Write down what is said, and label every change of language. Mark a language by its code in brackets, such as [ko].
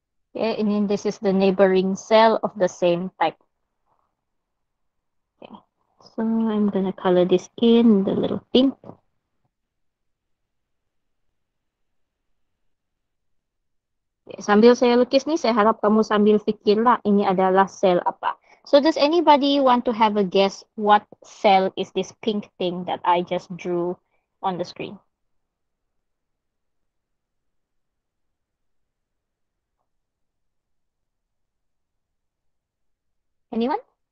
[en] Okay, and then this is the neighboring cell of the same type. Okay, so I'm gonna color this in the little pink. [ms] Okay, sambil saya lukis nih, saya harap kamu sambil pikir lah ini adalah sel apa. [en] So does anybody want to have a guess what cell is this pink thing that I just drew on the screen? Anyone?